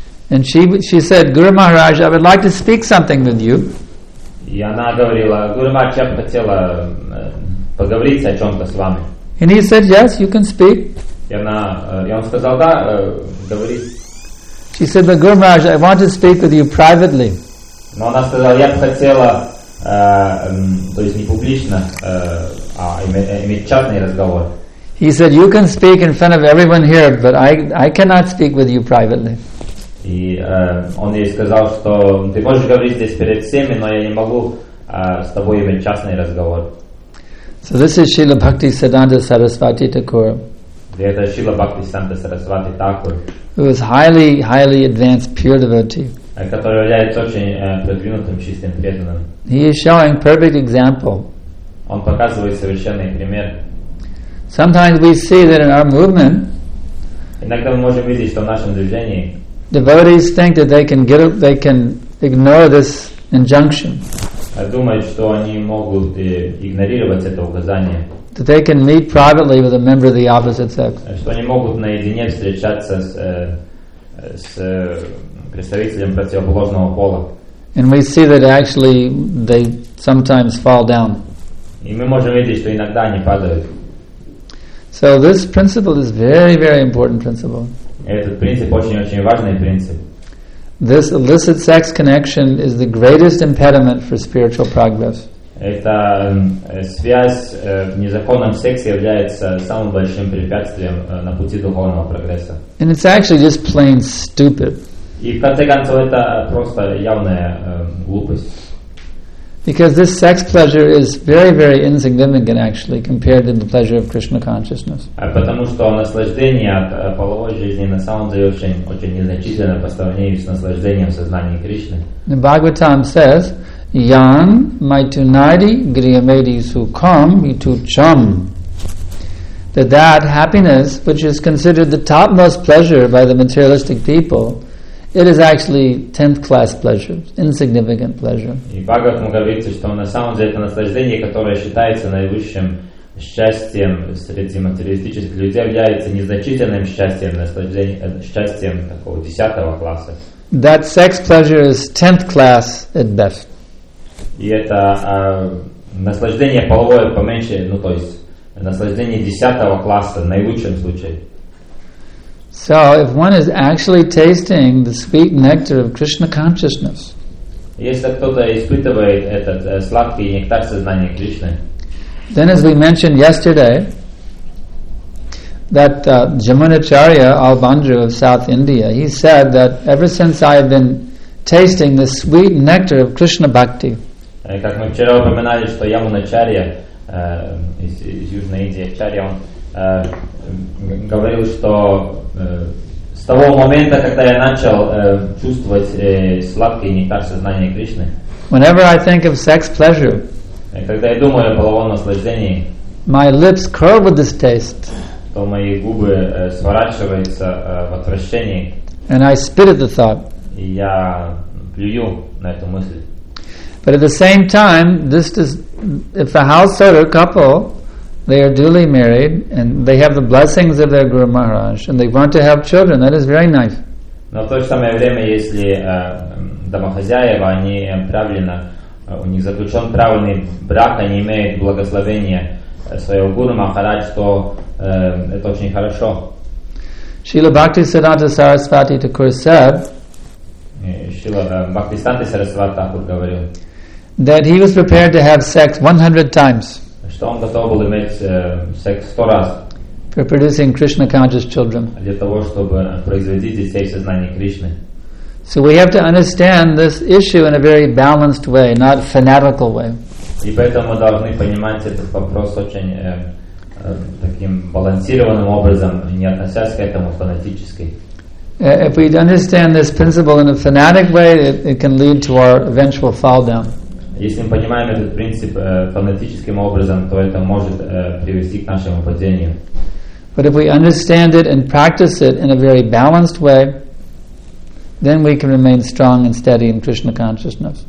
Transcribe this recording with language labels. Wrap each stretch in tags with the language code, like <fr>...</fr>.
<en>And she said, Guru Maharaj, I would like to speak something with you.</en> <ru>И она говорила, Guru Maharaj, я бы хотела поговорить о чем-то с вами.</ru> <en>And he said, yes, you can speak.</en> <ru>И он сказал, да, говори.</ru> <en>She said, but Guru Maharaj, I want to speak with you privately.</en> <ru>Но она сказала, я бы хотела, то есть не публично, а иметь частный разговор.</ru> <en>He said, you can speak in front of everyone here, but I cannot speak with you privately.</en> <ru>И он ей сказал, что ты можешь говорить здесь перед всеми, но я не могу с тобой иметь частный разговор.</ru> <en>So this is Srila Bhakti Siddhanta Sarasvati Thakur.</en> <ru>Это Шрила Бхакти Сиддханта Сарасвати Такур.</ru> <en>Who is highly, highly advanced pure devotee.</en> <ru>Который является очень продвинутым чистым преданным.</ru> <en>He is showing perfect example.</en> <ru>Он показывает совершенный пример.</ru> <en>Sometimes we see that in our movement.</en> <ru>Иногда мы можем видеть, что в нашем движении.</ru> <en>Devotees think that they can ignore this injunction.</en> <ru>Думают, что они могут игнорировать это указание.</ru> <en>That they can meet privately with a member of the opposite sex.</en> <ru>Что они могут наедине встречаться с представителем противоположного пола.</ru> <en>And we see that actually they sometimes fall down.</en> <ru>И мы можем видеть, что иногда они падают.</ru> <en>So this principle is very, very important principle.</en> <ru>Этот принцип очень, очень важный принцип.</ru> <en>This illicit sex connection is the greatest impediment for spiritual progress.</en> <ru>Эта связь в незаконном сексе является самым большим препятствием на пути духовного прогресса.</ru> <en>And it's actually just plain stupid.</en> <ru>И в конце концов это просто явная глупость.</ru> <en>Because this sex pleasure is very, very insignificant actually compared to the pleasure of Krishna consciousness.</en> <ru>Потому что наслаждение от половой жизни на самом деле очень, очень незначительно по сравнению с наслаждением сознания Кришны.</ru> <en>The Bhagavatam says,</en> <sa>Yan maitunadi griyamedi sukham itucham.</sa> <en>That happiness, which is considered the topmost pleasure by the materialistic people, it is actually 10th class pleasure, insignificant pleasure.</en> <ru>И Бхагаватам говорится, что на самом деле это наслаждение, которое считается наивысшим счастьем среди материалистических людей, является незначительным счастьем, счастьем такого 10-го класса.</ru> <en>That sex pleasure is 10th class at best.</en> <ru>И это наслаждение половое поменьше, ну то есть наслаждение 10-го класса в наилучшем случае.</ru> <en>So, if one is actually tasting the sweet nectar of Krishna consciousness,</en> <ru>если кто-то испытывает этот сладкий нектар сознания Кришны,</ru> <en>then, as we mentioned yesterday, that Jamunacharya Albandru of South India, he said that ever since I have been tasting the sweet nectar of Krishna bhakti,</en> <ru>как мы вчера упоминали, что Ямуначарья из Южной Индии, Чарья, он говорил, что с того момента, когда я начал чувствовать сладкий нектар сознания Кришны.</ru> <en>Whenever I think of sex pleasure,</en> <ru>когда я думаю о половом наслаждении,</ru> <en>my lips curl with this taste,</en> <ru>то мои губы сворачиваются в отвращении.</ru> <en>And I spit at the thought.</en> <ru>И я плюю на эту мысль.</ru> <en>But at the same time, this does, if a householder couple, they are duly married and they have the blessings of their Guru Maharaj and they want to have children. That is very nice.</en> <ru>Но в то же самое время, если домохозяева, они правильно, у них заключен правильный брак, они имеют благословение своего Гуру Махарадж, то это очень хорошо.</ru> <en>Srila Bhaktisiddhanta Sarasvati Thakur said,</en> <ru>Srila Bhaktisiddhanta Sarasvati Thakur говорил,</ru> <en>that he was prepared to have sex 100 times.</en> <ru>Что он готов был иметь секс 100 раз</ru> <en>for producing Krishna conscious children.</en> <ru>Для того, чтобы производить детей в сознании Кришны.</ru> <en>So we have to understand this issue in a very balanced way, not fanatical way.</en> <ru>И поэтому мы должны понимать этот вопрос очень таким балансированным образом, не относясь к этому фанатически.</ru> <en>If we understand this principle in a fanatic way, it can lead to our eventual fall down.</en> <ru>Если мы понимаем этот принцип фанатическим образом, то это может привести к нашему падению.</ru> <en>But if we understand it and practice it in a very balanced way, then we can remain strong and steady in Krishna consciousness.</en>